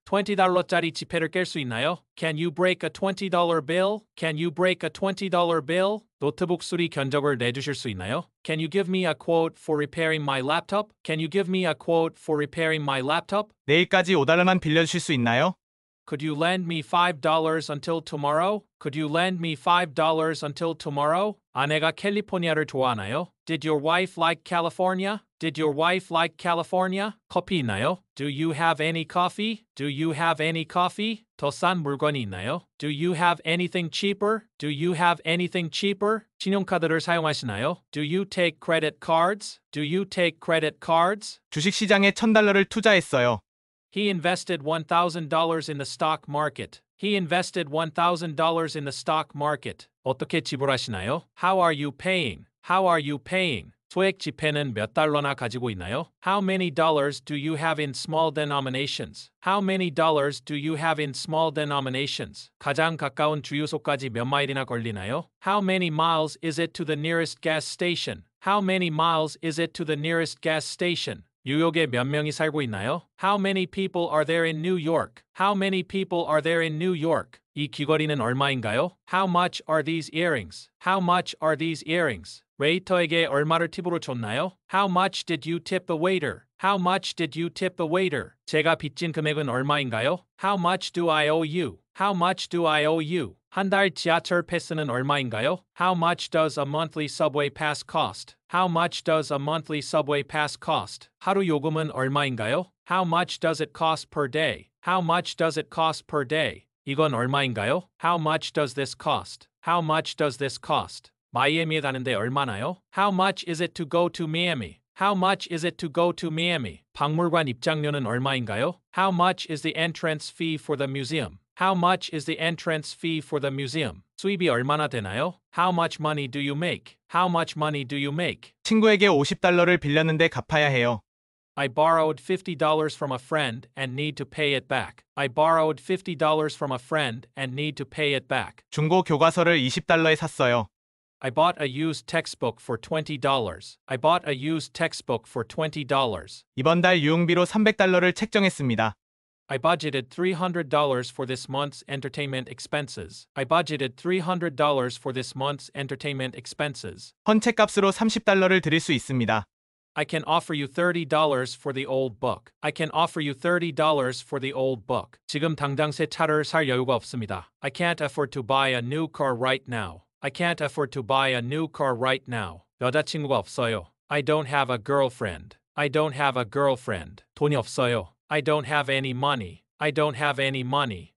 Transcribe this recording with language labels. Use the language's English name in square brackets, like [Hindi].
[Korean] $20짜리 지폐를 깰 수 있나요? [English] Can you break a $20 bill? Can you break a $20 bill? [Korean] 노트북 수리 견적을 내주실 수 있나요? [English] Can you give me a quote for repairing my laptop? Can you give me a quote for repairing my laptop? [Korean] 내일까지 5달러만 빌려주실 수 있나요? [English] Could you lend me $5 until tomorrow? Could you lend me $5 until tomorrow? [Korean] 아내가 캘리포니아를 좋아하나요? [English] Did your wife like California? Did your wife like California? [Korean] 커피 있나요? [English] Do you have any coffee? Do you have any coffee? [Korean] 더 싼 물건이 있나요? [English] Do you have anything cheaper? Do you have anything cheaper? [Korean] 신용카드를 사용하시나요? [English] Do you take credit cards? Do you take credit cards? [Korean] 주식시장에 $1,000을 투자했어요. [English] He invested $1,000 in the stock market. He invested $1,000 in the stock market. [Korean] 어떻게 지불하시나요? [English] How are you paying? How are you paying? [Korean] 소액 지폐는 몇 달러나 가지고 있나요? [English] How many dollars do you have in small denominations? How many dollars do you have in small denominations? [Korean] 가장 가까운 주유소까지 몇 마일이나 걸리나요? [English] How many miles is it to the nearest gas station? How many miles is it to the nearest gas station? [Korean] 뉴욕에 몇 명이 살고 있나요? [English] How many people are there in New York? How many people are there in New York? [Korean] 이 귀걸이는 얼마인가요? [English] How much are these earrings? How much are these earrings? [Korean] 웨이터에게 얼마를 팁으로 줬나요? [English] How much did you tip the waiter? How much did you tip the waiter? [Korean] 제가 빚진 금액은 얼마인가요? [English] How much do I owe you? How much do I owe you? [Korean] 한 달 지하철 패스는 얼마인가요? [English] How much does a monthly subway pass cost? How much does a monthly subway pass cost? [Korean] 하루 요금은 얼마인가요? [English] How much does it cost per day? How much does it cost per day? [Korean] 이건 얼마인가요? [English] How much does this cost? How much does this cost? [Korean] 마이애미에 가는데 얼마나요? [English] How much is it to go to Miami? How much is it to go to Miami? [Korean] 박물관 입장료는 얼마인가요? [English] How much is the entrance fee for the museum? How much is the entrance fee for the museum? [Korean] 수입이 얼마나 되나요? [English] How much money do you make? How much money do you make? [Korean] 친구에게 $50를 빌렸는데 갚아야 해요. [English] I borrowed $50 from a friend and need to pay it back. I borrowed $50 from a friend and need to pay it back. [Korean] 중고 교과서를 $20에 샀어요. [English] I bought a used textbook for $20. I bought a used textbook for $20. [Korean] 이번 달 유흥비로 $300를 책정했습니다. [English] I budgeted $300 for this month's entertainment expenses. I budgeted $300 for this month's entertainment expenses. [Korean] 헌책값으로 $30를 드릴 수 있습니다. [English] I can offer you $30 for the old book. I can offer you $30 for the old book. [Korean] 지금 당장 새 차를 살 여유가 없습니다. [English] I can't afford to buy a new car right now. I can't afford to buy a new car right now. [Korean] 여자친구가 없어요. [English] I don't have a girlfriend. I don't have a girlfriend. [Korean] 돈이 없어요. [English] I don't have any money. I don't have any money.